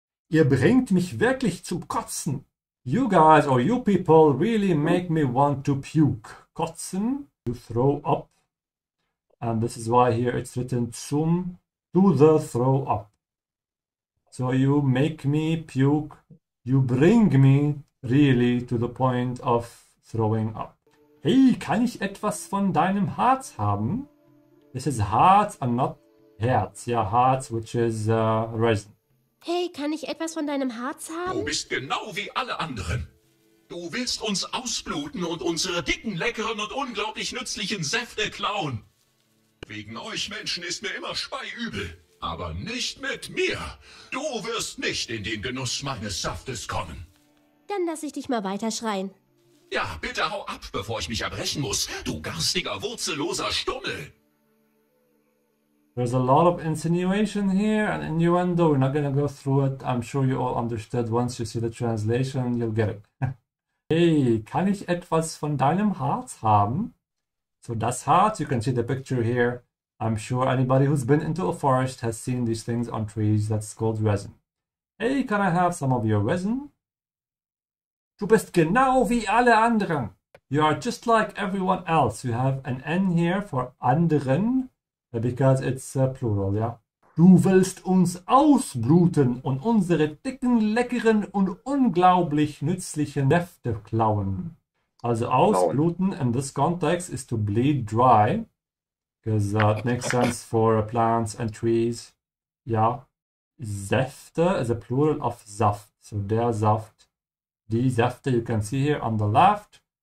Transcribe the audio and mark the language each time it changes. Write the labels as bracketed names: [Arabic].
[German] Ihr bringt mich wirklich zum Kotzen. [English] You guys or you people really make me want to puke. Kotzen, to throw up. And this is why here it's written zum, to the throw up. So you make me puke. You bring me really to the point of throwing up. [German] Hey, kann ich etwas von deinem Harz haben? [English] This is Harz and not Herz. Yeah, Harz, which is resin. [German] Hey, kann ich etwas von deinem Harz Du haben? bist genau wie alle anderen. Du willst uns ausbluten und unsere dicken, leckeren und unglaublich nützlichen Säfte klauen. Wegen euch Menschen ist mir immer speiübel, aber nicht mit mir. Du wirst nicht in den Genuss meines Saftes kommen. Dann lasse ich dich mal weiterschreien. Ja, bitte hau ab, bevor ich mich erbrechen muss, du garstiger, wurzelloser Stummel! [English] There's a lot of insinuation here and innuendo. We're not going to go through it. I'm sure you all understood. Once you see the translation, you'll get it. Hey, kann ich etwas von deinem Harz haben? So das Harz, you can see the picture here. I'm sure anybody who's been into a forest has seen these things on trees. That's called resin. Hey, can I have some of your resin? [German] Du bist genau wie alle anderen. [English] You are just like everyone else. You have an N here for anderen. Because it's plural, yeah. [German] Du willst uns ausbluten und unsere dicken, leckeren und unglaublich nützlichen Säfte klauen. [English] Also ausbluten in this context is to bleed dry, because that makes sense for plants and trees. Ja. Säfte, is a plural of Saft. So der Saft, die Säfte, you can see here on the left.